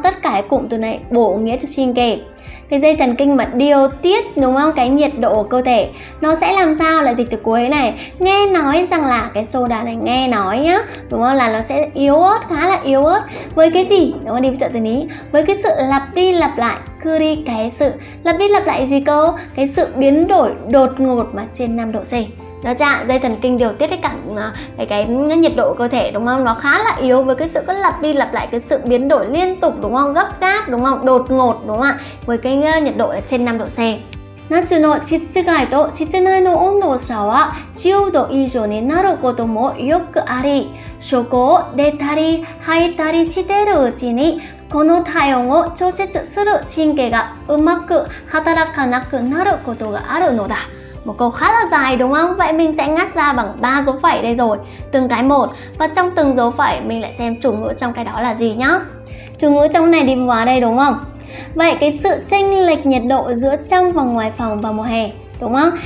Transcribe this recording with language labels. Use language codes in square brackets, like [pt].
[vi] Tất cả cái cụm từ này bổ nghĩa cho shinke, cái dây thần kinh mà điều tiết đúng không, cái nhiệt độ cơ thể, nó sẽ làm sao, là dịch từ cuối này, nghe nói rằng là cái soda này, nghe nói nhá đúng không, là nó sẽ yếu ớt, khá là yếu ớt với cái gì, đúng không, đi trợ từ ní, với cái sự lặp đi lặp lại, cứ đi cái sự lặp đi lặp lại gì cơ, cái sự biến đổi đột ngột mà trên 5 độ C. Nó ra dây thần kinh điều tiết cái nhiệt độ cơ thể đúng không, nó khá là yếu với cái sự cứ lặp đi lặp lại, cái sự biến đổi liên tục đúng không, gấp gáp đúng không, đột ngột đúng không ạ, với cái nhiệt độ là trên 5 độ C. [ja] 夏の湿地外と湿内の温度差は10度以上になることもよくあり、そこを出たり入ったりしているうちにこの体温を調節する神経がうまく働かなくなることがあるのだ。 [vi] Một câu khá là dài đúng không? Vậy mình sẽ ngắt ra bằng 3 dấu phẩy đây rồi, từng cái một. Và trong từng dấu phẩy mình lại xem chủ ngữ trong cái đó là gì nhá. Chủ ngữ trong này đi vào đây đúng không? Vậy cái sự chênh lệch nhiệt độ giữa trong và ngoài phòng vào mùa hè đúng không?